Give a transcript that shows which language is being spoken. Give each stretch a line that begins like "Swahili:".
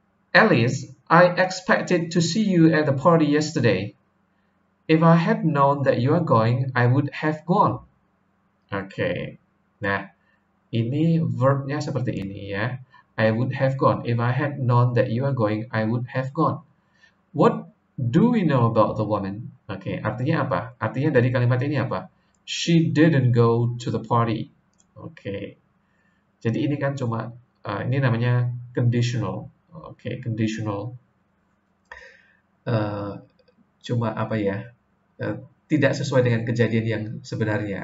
English: Alice, I expected to see you at the party yesterday. If I had known that you are going, I would have gone. Oke. Okay.
Indonesian: Nah, ini verbnya seperti ini ya.
English: I would have gone. If I had known that you are going, I would have gone. What do we know about the woman? Oke, okay,
Indonesian: artinya apa? Artinya dari kalimat ini apa?
English: She didn't go to the party.
Indonesian: Oke. Okay. Jadi ini kan cuma, ini namanya conditional. Oke, okay, conditional. Cuma apa ya? Tidak sesuai dengan kejadian yang sebenarnya.